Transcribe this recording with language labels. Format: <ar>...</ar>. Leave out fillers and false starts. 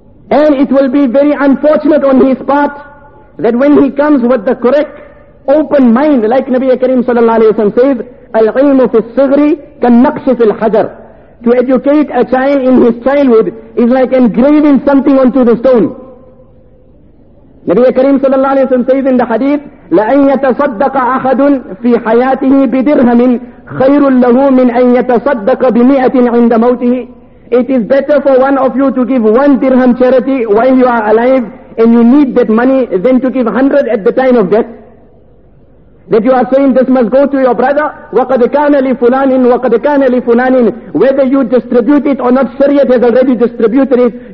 <en>And it will be very unfortunate on his part that when he comes with the correct open mind, like Nabi Kareem sallallahu alayhi wa sallam says,</en> <ar>Al-ilmu fi al-sighri kan-naqshi fi al-hajar.</ar> <en>To educate a child in his childhood is like engraving something onto the stone. Nabi Kareem sallallahu alayhi wa sallam says in the hadith,</en> <ar>لَأَنْ يَتَصَدَّقَ أَحَدٌ فِي حَيَاتِهِ بِدِرْهَمٍ خَيْرٌ لَهُ مِنْ أَنْ يَتَصَدَّقَ بِمِئَةٍ عِنْدَ مَوْتِهِ.</ar> <en>It is better for one of you to give one dirham charity while you are alive, and you need that money, than to give 100 at the time of death. That you are saying, this must go to your brother,</en> <ar>وَقَدْ كَانَ لِفُلَانٍ وَقَدْ كَانَ لِفُلَانٍ.</ar> <en>Whether you distribute it or not, Shariat has already distributed it.</en>